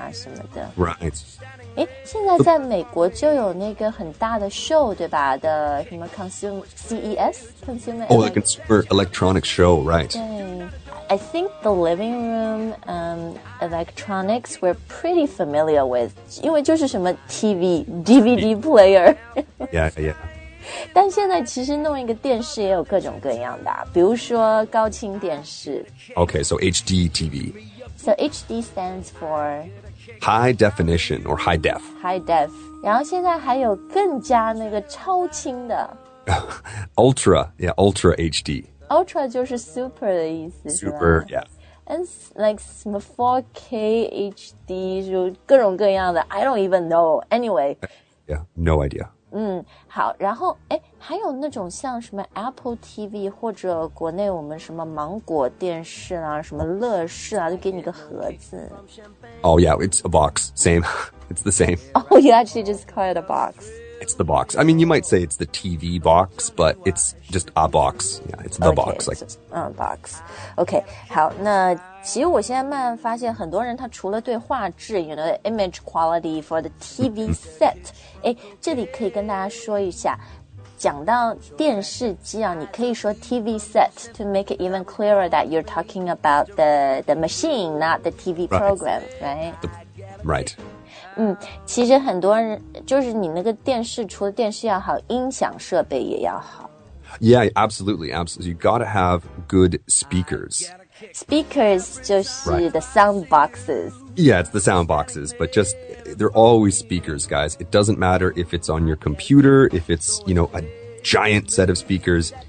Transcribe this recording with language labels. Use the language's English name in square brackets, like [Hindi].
[English] now in America, there's a big show, right? The consumer. Oh, the consumer electronics show, right. I think the living room electronics we're pretty familiar with. Because it's TV, DVD player. Yeah. [Chinese] 但现在其实弄一个电视也有各种各样的、啊、比如说高清电视。 [English] Okay, so HDTV. So HD stands for? High definition or high def. High def. [Chinese] 然后现在还有更加那个超清的。 [English] Ultra, yeah, Ultra HD. [Chinese] Ultra 就是 super 的意思。 [English] Super, yeah. And like 4K HD, [Chinese] 就各种各样的。 [English] I don't even know. Anyway. Yeah, no idea. [Chinese] 好，然后还有那种像什么 Apple TV 或者国内我们什么芒果电视啊，什么乐视啊，就给你个盒子。 [English] Oh yeah, it's a box. Same. It's the same. Oh, you actually just call it a box. It's the box. I mean, you might say it's the TV box, but it's just a box. Yeah, it's the okay, box. Like, box. Okay, [Chinese] 好，那其实我现在慢慢发现很多人他除了对画质 [English] you know, image quality for the TV set [Chinese] 这里可以跟大家说一下讲到电视机啊你可以说 [English] TV set to make it even clearer that you're talking about the machine not the TV program right? Right [Chinese] 其实很多人就是你那个电视除了电视要好音响设备也要好 [English] Yeah, absolutely, absolutely You gotta have good speakers Speakers 就是 the sound boxes. Yeah, it's the sound boxes, but just, they're always speakers, guys. It doesn't matter if it's on your computer, if it's, you know, a giant set of speakers,